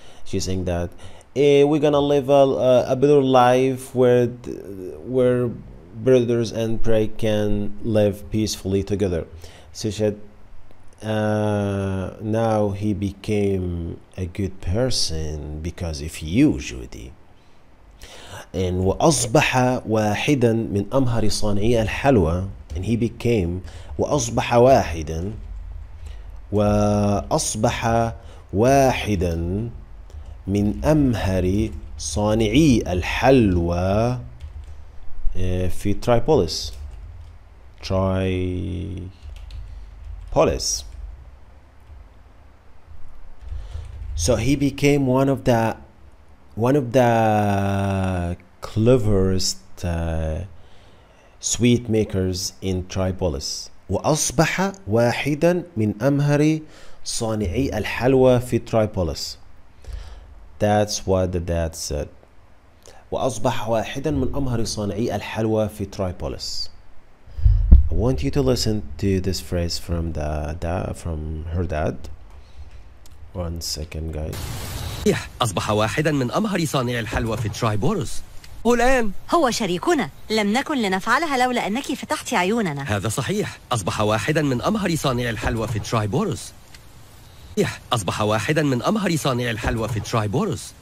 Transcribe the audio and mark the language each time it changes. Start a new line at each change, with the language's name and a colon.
English: She's saying that we're gonna live a better life where brothers and prey can live peacefully together." So she said, now he became a good person because of you, Judy.
Arabic: And وأصبح واحدا من أمهر صانعي الحلوى.
English: And he became
Arabic: وأصبح واحدا وأصبح واحدا من أمهر صانعي الحلوى في ترايبوليس. ترايبوليس.
English: So he became one of the cleverest sweet makers in Tripolis.
Arabic: وأصبح واحدا من أمهر صانعي الحلوى في Tripolis.
English: That's what the dad said.
Arabic: وأصبح واحدا من أمهر صانعي الحلوى في Tripolis.
English: I want you to listen to this phrase from her dad. One second, guys.
Arabic: صحيح، أصبح واحدا من أمهر صانع الحلوى في ترايبورز. والآن هو شريكنا، لم نكن لنفعلها لولا أنك فتحت عيوننا. هذا صحيح، أصبح واحدا من أمهر صانع الحلوى في ترايبورز. صحيح، أصبح واحدا من أمهر صانع الحلوى في ترايبورز.